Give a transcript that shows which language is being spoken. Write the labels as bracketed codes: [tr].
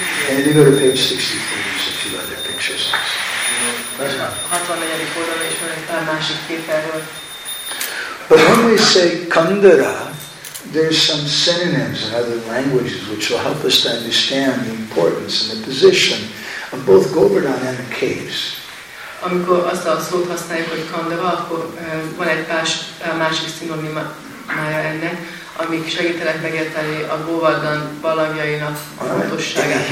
[en] And you go to page 63, a few other pictures. [hu] 64. oldalon is van egy másik kép erről. [en] But when we say Kandara, there's some synonyms in other languages which will help us to understand the importance and the position of both Govardhan and the caves. [hu] Amikor azt a szót használjuk, hogy Kandara, akkor van egy másik szinonimája ennek, amik segítenek megérteni a Govardhan barlangjainak fontosságát.